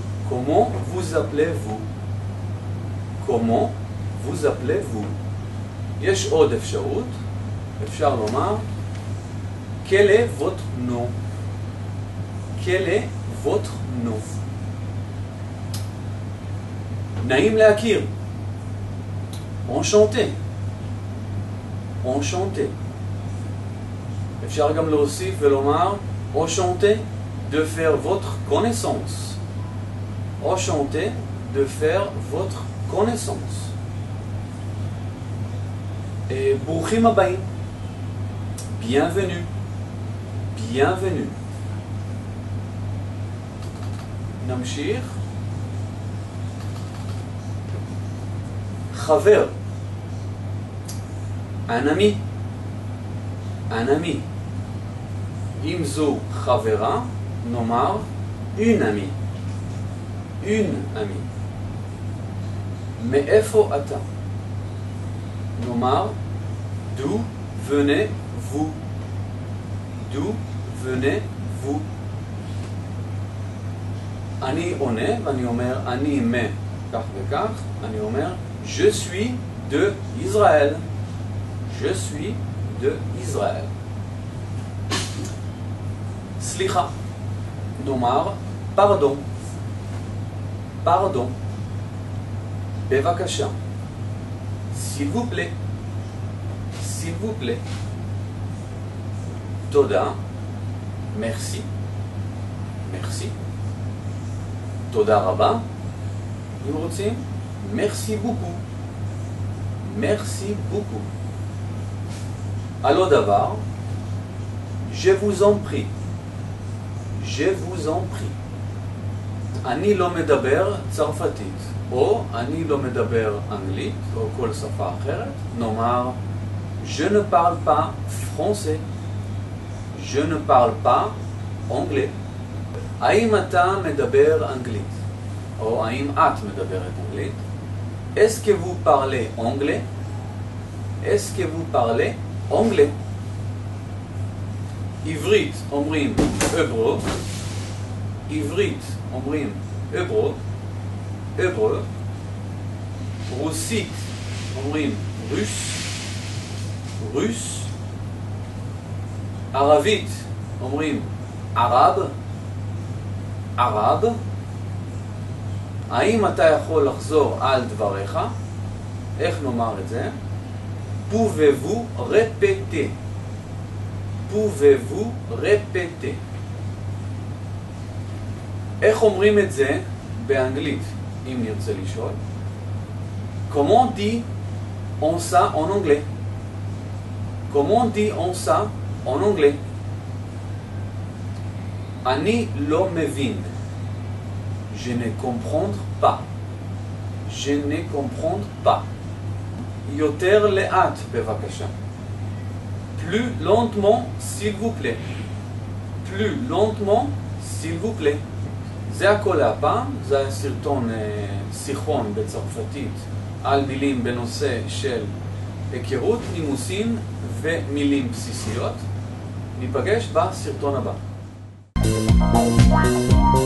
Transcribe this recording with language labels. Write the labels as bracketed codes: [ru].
[fr] Comment vous appelez-vous? Comment vous appelez-vous? [he] יש עוד אפשרות, אפשר לומר [fr] Quel est votre nom? Quel est votre nom? [he] נעים להכיר. [fr] Enchanté. Enchanté. [he] אפשר גם להוסיף ולומר [fr] enchanté de faire votre connaissance. Enchanté de faire votre connaissance. [he] Et ברוכים הבאים. [fr] Bienvenue. Bienvenue. [he] נמשיך. חבר. [fr] Un ami. Un ami. [he] אם זו חברה, נאמר [fr] une amie, une amie. [he] מאיפה אתה? נאמר [fr] d'où venez-vous, d'où venez-vous. [he] אני עונה ואני אומר אני מכך וכך, אני אומר [fr] je suis de Israël, [he] je suis de Israël. סליחה, נאמר פרדון, פרדון. בבקשה, [fr] s'il vous plaît, s'il vous plaît. [he] תודה, [fr] merci, merci. [he] תודה רבה, אם רוצים, [fr] merci beaucoup, merci beaucoup. Allô d'abord, je vous en prie. Je vous en prie. [he] אני לא מדבר צרפתית, או אני לא מדבר אנגלית, או כל שפה אחרת. נאמר, [fr] je ne parle pas français. Je ne parle pas anglais. [he] האם אתה מדבר אנגלית? או האם את מדברת אנגלית? [fr] Est-ce que vous parlez anglais? Est-ce que vous parlez anglais? [he] עברית אומרים אברו, עברית אומרים אברו, אברו, רוסית אומרים רוס, רוס, ערבית אומרים ערב, ערב. האם אתה יכול לחזור על דבריך? איך נאמר את זה? [fr] פוווו רפטה. פוווו רפטה. [he] איך אומרים את זה באנגלית, אם נרצה לשאול? [fr] Comment dit-on ça en anglais? Comment dit-on ça en anglais? [he] אני לא מבין. [fr] Je ne comprends pas. Je ne comprends pas. [he] יותר לאט, בבקשה. [fr] Plus lentement, s'il vous plaît. Plus lentement, s'il vous plaît. [he] זה הכל הפעם, זה היה סרטון שיחון בצרפתית על מילים בנושא של היכרות, נימוסים ומילים בסיסיות. ניפגש בסרטון הבא.